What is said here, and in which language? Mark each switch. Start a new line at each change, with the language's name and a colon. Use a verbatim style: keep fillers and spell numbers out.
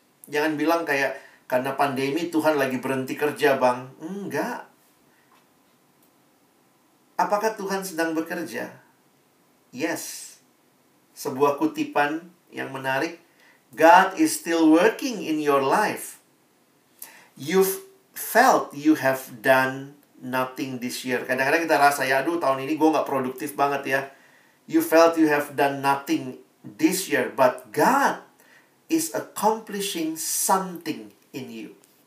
Indonesian: Jangan bilang kayak, karena pandemi Tuhan lagi berhenti kerja, Bang. Enggak. Apakah Tuhan sedang bekerja? Yes. Sebuah kutipan yang menarik.
English: God is still working in your life. You've felt you have done nothing this year.
Indonesian: Kadang-kadang kita rasa, ya aduh tahun ini gue gak produktif banget ya.
English: You felt you have done nothing this year. But God is accomplishing something in you.